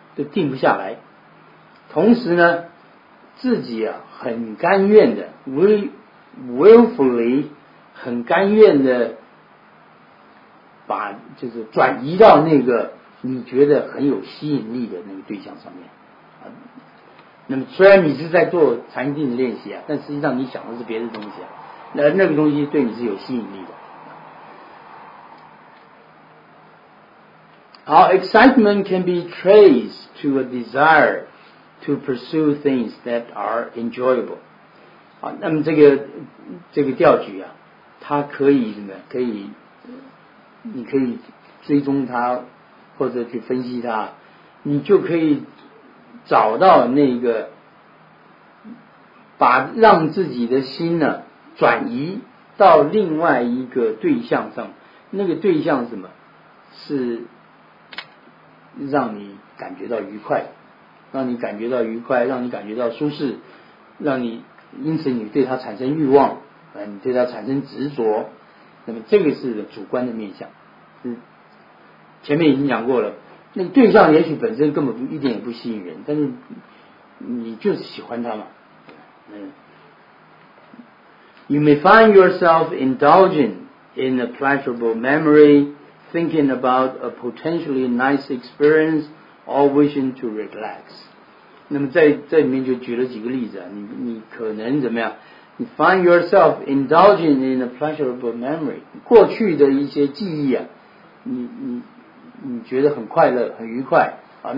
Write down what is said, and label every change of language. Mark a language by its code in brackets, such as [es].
[zh] 就定不下来，同时呢，自己啊很甘愿的 willfully 很甘愿的把就是转移到那个你觉得很有吸引力的那个对象上面啊。那么虽然你是在做禅定的练习啊，但实际上你想的是别的东西啊，那个东西对你是有吸引力的。 [en] Our excitement can be traced to a desire to pursue things that are enjoyable. [zh] 好，那么这个调举啊，它可以什么？可以，你可以追踪它，或者去分析它，你就可以找到那个把让自己的心呢转移到另外一个对象上。那个对象是什么？是让你感觉到愉快，让你感觉到愉快，让你感觉到舒适，让你因此你对它产生欲望，你对它产生执着。那么这个是主观的面向，前面已经讲过了，那个对象也许本身根本一点也不吸引人，但是你就是喜欢它嘛。 [en] You may find yourself indulging in a pleasurable memoryThinking about a potentially nice experience or wishing to relax. [zh] 那么在里面就举了几个例子啊，你可能怎么样？ [en] 你 find yourself indulging in a pleasurable memory. [zh] 过去的一些记忆啊，你觉得很快乐，很愉快啊。